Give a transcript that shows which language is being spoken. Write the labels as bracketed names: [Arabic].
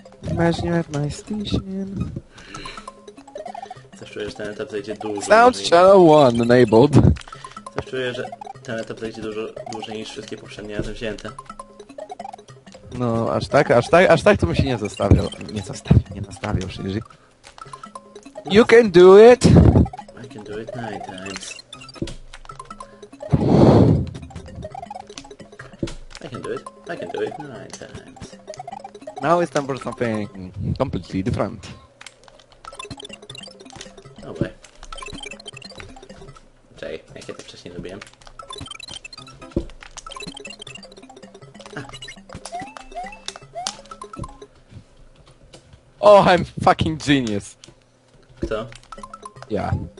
[English] Imagine you have my station. [Polish] Coś czuję, że ten etap zajdzie dłużej. [English] Sound niż... channel 1 enabled. [Polish] Coś czuję, że ten etap zajdzie dużo dłużej niż wszystkie poprzednie razem wzięte. No, aż tak to bym się nie zostawiał. Nie nastawiał się, jeżeli... [English] You can do it! I can do it 9 times. I can do it 9 times. Now it's time for something completely different. Oh boy. [Polish] Czekaj, jak ja to wcześniej zrobiłem. [English] Oh, I'm fucking genius! [Polish] Kto? Ja.